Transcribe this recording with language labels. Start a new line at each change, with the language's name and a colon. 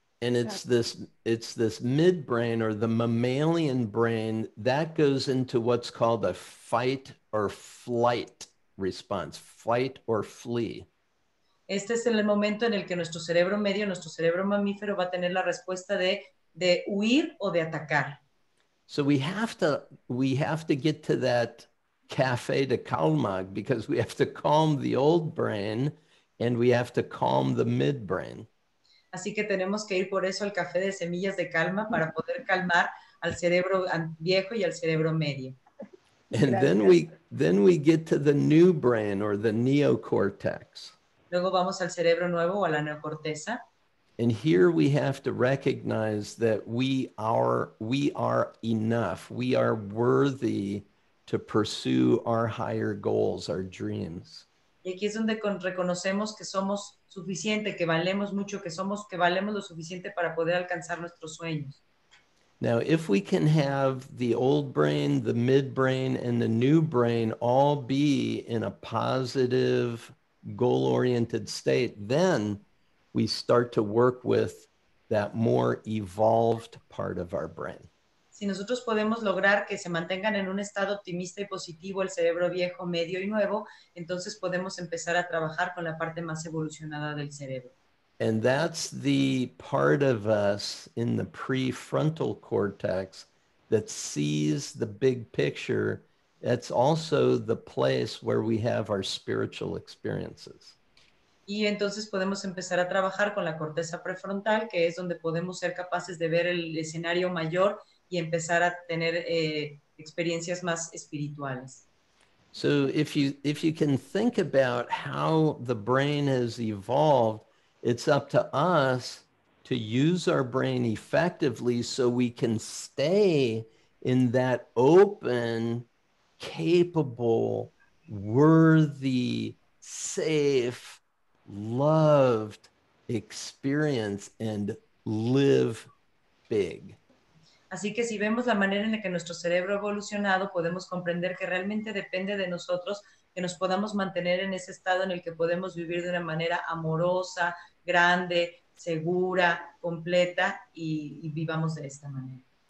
English: And it's this midbrain or the mammalian brain that goes into what's called a fight or flight response, fight or flee.
Spanish: Este es el momento en el que nuestro cerebro medio, nuestro cerebro mamífero va a tener la respuesta de huir o de atacar.
English: So we have to get to that Café de Calma, because we have to calm the old brain and we have to calm the midbrain.
Spanish: Así que tenemos que ir por eso al café de semillas de calma para poder calmar al cerebro viejo y al cerebro medio.
English: And then we get to the new brain or the neocortex.
Spanish: Luego vamos al cerebro nuevo o a la neocorteza.
English: And here we have to recognize that we are enough. We are worthy to pursue our higher goals, our dreams.
Spanish: Y aquí es donde reconocemos que somos suficiente, que valemos mucho, que valemos lo suficiente para poder alcanzar nuestros sueños.
English: Now, if we can have the old brain, the midbrain, and the new brain all be in a positive, goal-oriented state, then we start to work with that more evolved part of our brain.
Spanish: Si nosotros podemos lograr que se mantengan en un estado optimista y positivo el cerebro viejo, medio y nuevo, entonces podemos empezar a trabajar con la parte más evolucionada del cerebro.
English: And that's the part of us in the prefrontal cortex that sees the big picture. That's also the place where we have our spiritual experiences.
Spanish: Y entonces podemos empezar a trabajar con la corteza prefrontal, que es donde podemos ser capaces de ver el escenario mayor y empezar a tener experiencias más espirituales.
English: So if you can think about how the brain has evolved, it's up to us to use our brain effectively so we can stay in that open, capable, worthy, safe, loved experience and live big.
Spanish: Así que si vemos la manera en la que nuestro cerebro ha evolucionado, podemos comprender que realmente depende de nosotros que nos podamos mantener en ese estado en el que podemos vivir de una manera amorosa, grande, segura, completa, y vivamos de esta manera.